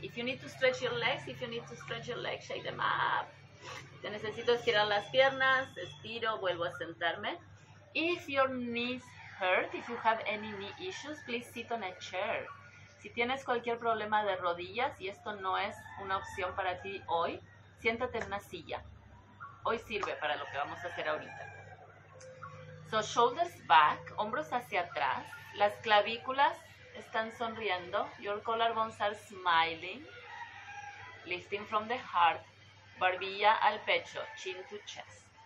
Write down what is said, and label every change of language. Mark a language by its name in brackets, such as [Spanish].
[English] If you need to stretch your legs, if you need to stretch your legs, shake them up. [Spanish] Te necesito estirar las piernas, estiro, vuelvo a sentarme. [English] If your knees hurt, if you have any knee issues, please sit on a chair. [Spanish] Si tienes cualquier problema de rodillas y esto no es una opción para ti hoy, siéntate en una silla. Hoy sirve para lo que vamos a hacer ahorita. [English] So shoulders back, [Spanish] hombros hacia atrás, las clavículas están sonriendo, [English] your collarbones are smiling, lifting from the heart, [Spanish] barbilla al pecho, [English] chin to chest.